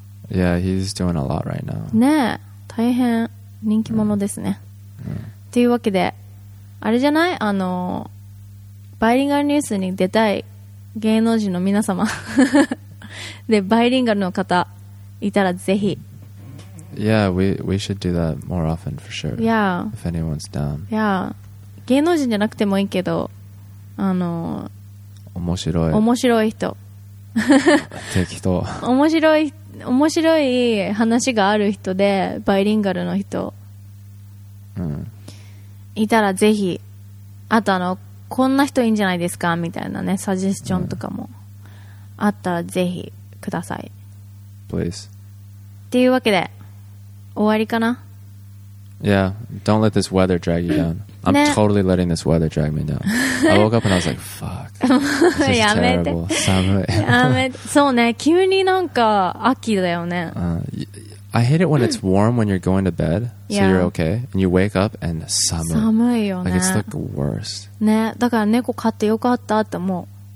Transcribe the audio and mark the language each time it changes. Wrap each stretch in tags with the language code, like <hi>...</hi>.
<en>Yeah, he's doing a lot right now.</en> <ja>ね、大変人気者ですね。</ja> <en>Yeah.</en> <ja>っていうわけであれじゃない、あのバイリンガルニュースに出たい芸能人の皆様でバイリンガルの方いたらぜひ。</ja> <en>Yeah, we should do that more often for sure. Yeah. If anyone's down. Yeah.</en> <ja>芸能人じゃなくてもいいけど、あの面白い面白い人適当面白い話がある人でバイリンガルの人、うん、いたらぜひ、あとあのこんな人いいんじゃないですかみたいなねサジェスチョンとかも、うん、あったらぜひください。</ja> <en>Please.</en> <ja>っていうわけで終わりかな。</ja> <en>Yeah, don't let this weather drag you down. I'm totally letting this weather drag me down. I woke up and I was like, fuck.</en> <ja>やめて。寒い。やめて。そうね、急になんか秋だよね。</ja> <en>I hate it when it's warm when you're going to bed, so you're okay, and you wake up and</en> <ja>寒い。寒いよね。</ja> <en>Like it's like the worst.</en> <ja>ね、だから猫飼ってよかったって思う。</ja>